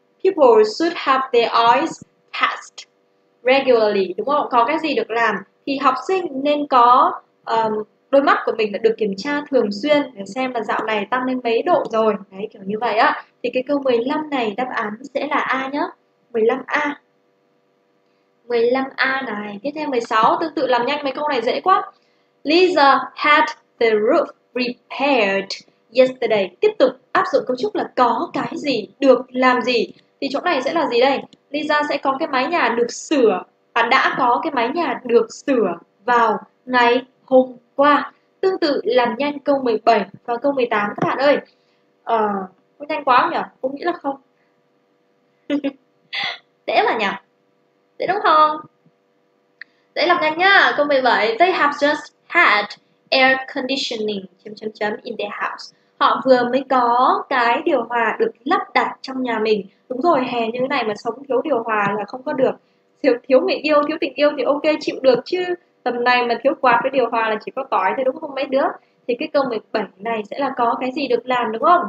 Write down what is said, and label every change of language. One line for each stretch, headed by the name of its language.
English: People should have their eyes test regularly,
Vietnamese: đúng không? Có cái gì được làm thì học sinh nên có đôi mắt của mình đã được kiểm tra thường xuyên để xem là dạo này tăng lên mấy độ rồi. Đấy, kiểu như vậy á. Thì cái câu 15 này đáp án sẽ là A nhá. 15A. 15A này. Tiếp theo 16, tương tự làm nhanh mấy câu này dễ quá.
English: Lisa had the roof repaired yesterday.
Vietnamese: Tiếp tục áp dụng cấu trúc là có cái gì, được làm gì. Thì chỗ này sẽ là gì đây? Lisa sẽ có cái mái nhà được sửa, à, đã có cái mái nhà được sửa vào ngày hôm qua. Tương tự làm nhanh câu 17 và câu 18 các bạn ơi. Có nhanh quá không nhỉ? Cũng nghĩ là không. Dễ mà nhỉ? Dễ đúng không? Dễ làm nhanh nhá. Câu 17.
English: They have just had air conditioning in their house.
Vietnamese: Họ vừa mới có cái điều hòa được lắp đặt trong nhà mình. Đúng rồi, hè như thế này mà sống thiếu điều hòa là không có được. Thiếu người yêu, thiếu tình yêu thì ok, chịu được chứ. Tầm này mà thiếu quạt với điều hòa là chỉ có tỏi thôi đúng không mấy đứa? Thì cái câu 17 này sẽ là có cái gì được làm đúng không?